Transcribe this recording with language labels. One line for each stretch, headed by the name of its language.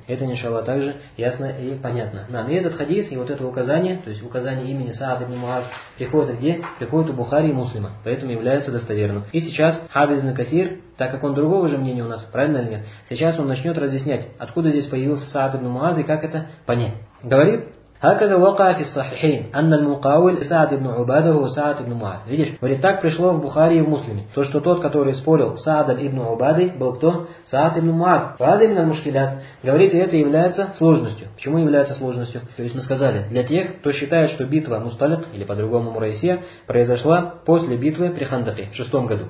Russian: Это, иншаллах, также ясно и понятно нам. И этот хадис, и вот это указание, то есть указание имени Саад ибн Муаз, приходит где? Приходит у Бухари и Муслима. Поэтому является достоверным. И сейчас Хафиз ибн Касир, так как он другого же мнения у нас, правильно или нет, сейчас он начнет разъяснять, откуда здесь появился Саад ибн Муаз и как это понять. Говорит,
Arabic: هكذا وقع في الصحيحين أن المقاول سعد بن عبادة هو سعد بن معاذ.
Russian: Видишь, говорит, так пришло в Бухари и в Муслиме. То, что тот, который спорил с Саадом ибн Убадой, был кто? Саад ибн Муаз.
Arabic: Фаадим на мушкилят.
Russian: Говорит, и это является сложностью. Почему является сложностью? То есть мы сказали, для тех, кто считает, что битва Мусталик, или по-другому Мурайсия, произошла после битвы при Хандаке в 6 году.